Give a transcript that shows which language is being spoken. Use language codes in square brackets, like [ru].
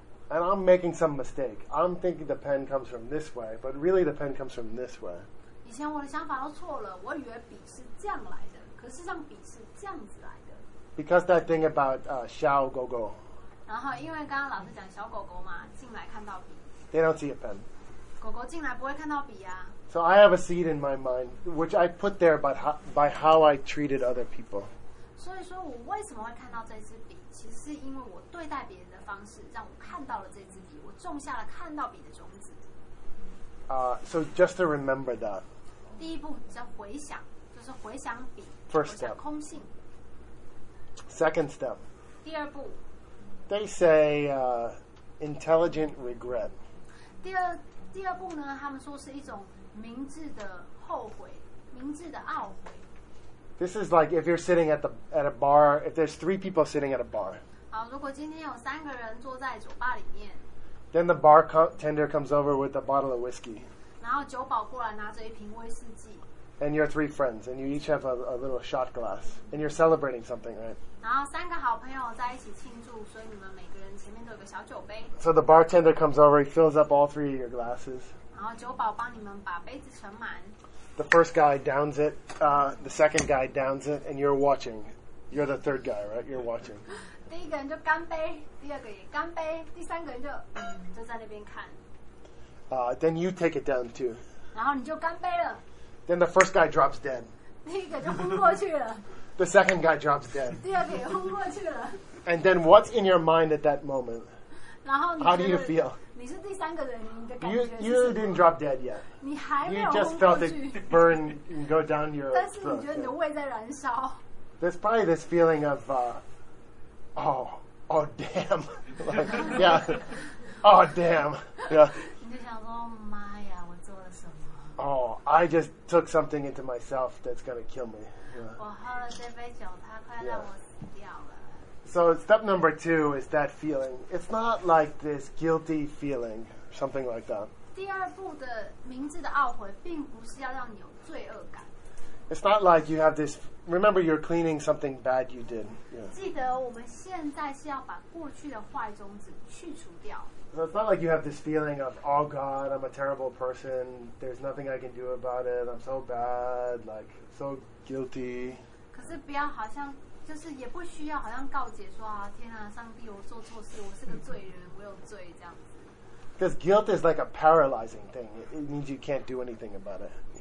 [en] And I'm making some mistake. I'm thinking the pen comes from this way, but really the pen comes from this way. [zh] 以前我的想法都错了，我以为笔是这样来的，可是事实上笔是这样子来的。 [en] Because that thing about Xiao Gogo. [zh] 然后因为刚刚老师讲小狗狗嘛，进来看到笔。 [en] They don't see a pen. [zh] 狗狗进来不会看到笔啊。 [en] So I have a seed in my mind, which I put there by how I treated other people. [zh] 所以说我为什么会看到这支笔，其实是因为我对待别人的方式，让我看到了这支笔，我种下了看到笔的种子。 [en] So just to remember that. [zh] 第一步叫回想，就是回想笔。 [en] First step. [zh] 空性。 [en] Second step. [zh] 第二步。 [en] They say intelligent regret. [zh] 第二步呢，他们说是一种。明智的后悔，明智的懊悔。 [en] This is like if you're sitting at a bar. If there's three people sitting at a bar. [zh] 好，如果今天有三个人坐在酒吧里面。 [en] Then the bartender comes over with a bottle of whiskey. [zh] 然后酒保过来拿着一瓶威士忌。 [en] And you're three friends, and you each have a little shot glass, and you're celebrating something, right? [zh] 然后三个好朋友在一起庆祝，所以你们每个人前面都有个小酒杯。 [en] So the bartender comes over, he fills up all three of your glasses. [zh] 然后酒保帮你们把杯子盛满。 [en] The first guy downs it, the second guy downs it, and you're watching. You're the third guy, right? You're watching. [zh] 第一个人就干杯，第二个也干杯，第三个人就在那边看。 [en] Then you take it down too. [zh] 然后你就干杯了。 [en] Then the first guy drops dead. [zh] 第一个就昏过去了。 [en] The second guy drops dead. [zh] 第二个也昏过去了。 [en] And then what's in your mind at that moment? [zh] 然后你 [en] How do you feel? [zh] 你是第三个人，你的感觉是什么？ [en] You didn't drop dead yet. [zh] 你还没有昏过去。 [en] You just felt it burn and go down your throat. [zh] 但是你觉得你的胃在燃烧。 [en] There's probably this feeling of, oh damn, like, yeah, oh damn, yeah. [zh] 你就想说，妈呀，我做了什么？ [en] Oh, I just took something into myself that's gonna kill me. Yeah. [zh] 我喝了这杯酒，它快让我死掉了。 [en] So step number two is that feeling. It's not like this guilty feeling, something like that. [zh] 第二步的明智的懊悔并不是要让你有罪恶感。 [en] It's not like you have this, remember you're cleaning something bad you did. Yeah. [zh] 记得我们现在是要把过去的坏种子去除掉。 [en] So it's not like you have this feeling of, oh God, I'm a terrible person, there's nothing I can do about it, I'm so bad, like, so guilty. [zh] 可是不要好像就是也不需要好像告解说啊，天啊，上帝，我做错事，我是个罪人，我有罪这样子。 [en] Because guilt is like a paralyzing thing. It means you can't do anything about it.